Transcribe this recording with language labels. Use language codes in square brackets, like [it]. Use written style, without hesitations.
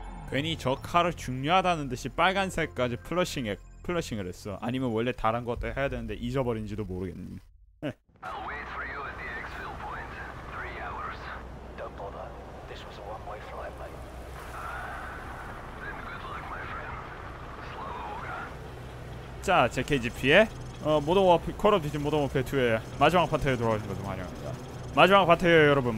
[ko] 괜히 저 칼을 중요하다는 듯이 빨간색까지 플러싱을 했어. 아니면 원래 다른 것도 해야 되는데 잊어버린지도 모르겠니. [en] I'll wait for you at the exfil point. 3 hours. Don't bother. This was a one-way flight, mate. Then good luck, my friend. Slow Oga. [ko] 자, JKGP의 모던 워피, 콜 오브 듀티 모던 워피 2의 마지막 파트에 돌아오신 것을 환영합니다. 마지막 파트에요, 여러분.